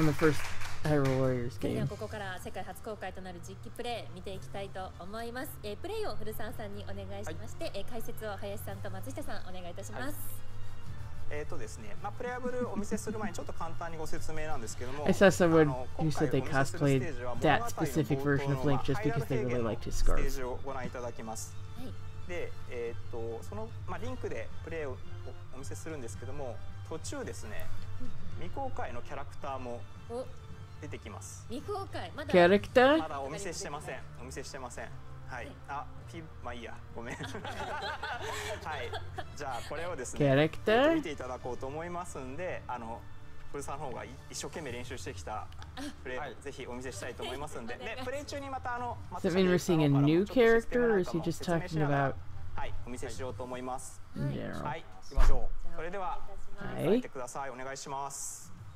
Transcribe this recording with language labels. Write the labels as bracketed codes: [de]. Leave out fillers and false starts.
[en] From the first Hyrule Warriors game. [ja] ではここから世界初公開となる実機プレイ見ていきたいと思います。プレイを古澤さんにお願いしまして、はい、解説を林さんと松下さんお願いいたします。はい、ですね、まあ、プレイアブルお見せする前にちょっと簡単にご説明なんですけども [en] I saw someone who said they cosplayed that specific version of Link just because they really liked his scarf. [ja] ステージをご覧いただきます。はい、で、その、まあ、リンクでプレイをお見せするんですけども、途中ですね、未公開のキャラクターも出てきます。未公開、まだキャラクター、まだお見せしてません、お見せしてません。はい、はい、あ、ピ、まあいいや、ごめん。はい、じゃあこれをですね、キャラクター見ていただこうと思いますんで、あの古さんの方が一生懸命練習してきたプレイ、はい、ぜひお見せしたいと思いますんで、でプレイ中にまたあの、 [en] Does that mean we're seeing a new character, or is he just talking about? [ja] はい、お見せしようと思います。はい、はい、行きましょう。それでは、はい、見てください、お願いします。